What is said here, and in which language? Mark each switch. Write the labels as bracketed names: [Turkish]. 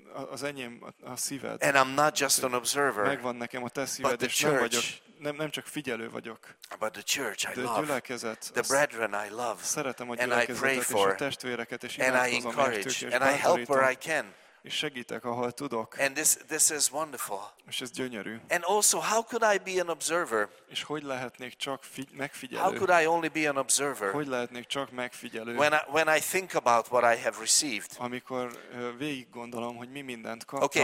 [Hungarian] Az enyém a szíved. [English] And I'm not just an observer. [Hungarian] Megvan nekem a te szíved, és [English] church, [Hungarian] nem vagyok, nem csak figyelő vagyok. [English] But the church I [Hungarian] de [English] love. [Hungarian] A gyülekezet. [English] The brethren I love. [Hungarian] Szeretem a gyülekezetet és a testvéreket, és imádkozom értük, és [English] encourage and I help where I can. [Hungarian] És segítek, ahol tudok. [English] And this is wonderful. [Hungarian] És ez gyönyörű. [English] And also, how could I be an observer? [Hungarian] És hogy lehetnék csak megfigyelő? [English] How could I only be an observer? [Hungarian] Hogy lehetnék csak megfigyelő? [English] When I think about what I have received. [Hungarian] Amikor végig gondolom, hogy mi mindent kaptam.